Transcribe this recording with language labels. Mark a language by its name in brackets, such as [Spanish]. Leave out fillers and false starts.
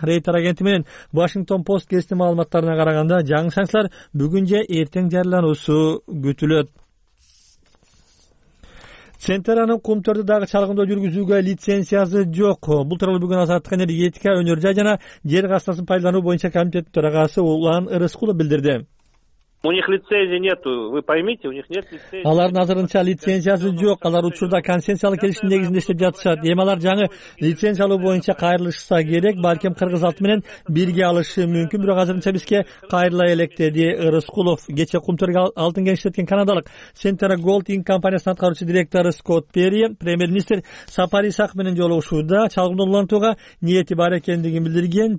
[Kyrgyz] Рейтер агенти менен Вашингтон Пост кестин маалыматтарына караганда жаңы санкциялар бүгүн же эртең жарыялануусу күтүлөт. Центеранын кум төрдө дагы чалгындоо жүргүзүүгө лицензиясы жок. Бул тууралуу бүгүн Азаттык энергетика, өнөр жай жана жер кастасын пайдалануу боюнча комитеттин төрагасы Улан Ырыскулов билдирди. [Russian] У них лицензии нету, вы поймите, у них нет лицензии. [Kyrgyz] Алардын азырынча лицензиясы жок. Алар учурда консенсиалдык келишим негизинде иштеп жатышат. Эми алар жаңы лицензия алуу боюнча кайрылышса керек, балким кыргыз алты менен бирге алышы мүмкүн, бирок азырынча бизге кайрыла элек, деди Ырыскулов. Кече кум төргө алтын кеңиштеткен канадалык Centera Gold Inc компаниясынын аткаруучу директору Скотт Перри премьер министр Сапари Исак менен жолугушууда чалгындоо улантууга ниети бар экендигин билдирген.